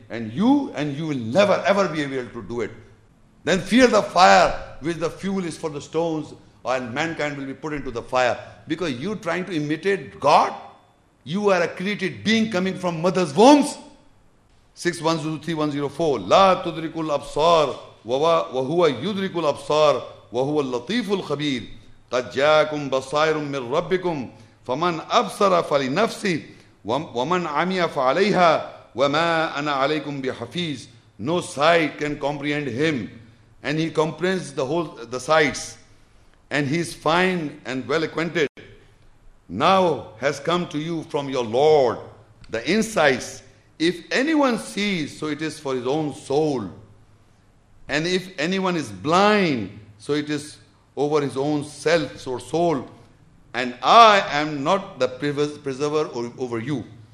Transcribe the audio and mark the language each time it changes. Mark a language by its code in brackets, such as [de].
[en] And you will never ever be able to do it. Then fear the fire, which the fuel is for the stones, and mankind will be put into the fire. Because you're trying to imitate God? You are a created being coming from mother's wombs? 6103104. [ar] لا تدرك الأبصار وهو يدرك الأبصار وهو اللطيف الخبير قد جاءكم بصائر من ربكم فمن أبصر فلنفسه ومن عمي فعليها وما أنا عليكم بحفيظ. [en] No sight can comprehend him, and he comprehends the sights, and he is fine and well acquainted. Now has come to you from your Lord the insights. If anyone sees, so it is for his own soul, and if anyone is blind, so it is over his own self or soul, and I am not the preserver over you.